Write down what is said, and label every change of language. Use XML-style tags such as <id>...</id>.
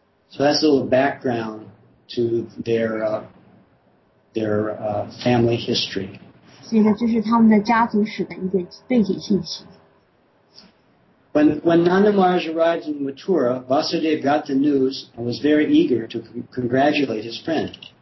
<en>So that's a little background to their family history.</en> <zh>所以呢，这是他们的家族史的一个背景信息。</zh> <en>When Nanda Maharaj arrived in Mathura, Vasudev got the news and was very eager to congratulate his friend.</en>